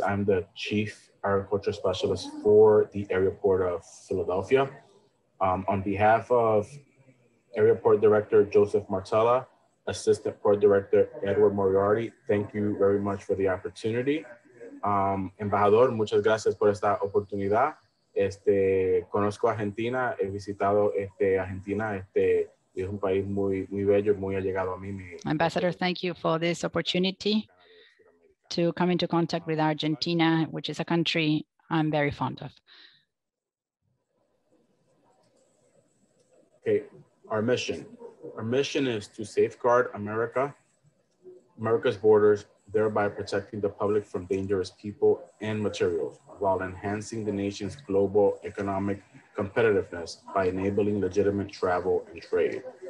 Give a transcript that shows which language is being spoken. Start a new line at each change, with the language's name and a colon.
English: I'm the Chief Agriculture Specialist for the Area Port of Philadelphia. On behalf of Area Port Director Joseph Martella, Assistant Port Director Edward Moriarty, thank you very much for the opportunity.
Spanish: Embajador, muchas gracias por esta oportunidad. Conozco Argentina, he visitado Argentina, es un país muy, muy bello, muy allegado a mí.
English: Ambassador, thank you for this opportunity to come into contact with Argentina, which is a country I'm very fond of. Okay, our mission is to safeguard America's borders, thereby protecting the public from dangerous people and materials while enhancing the nation's global economic competitiveness by enabling legitimate travel and trade.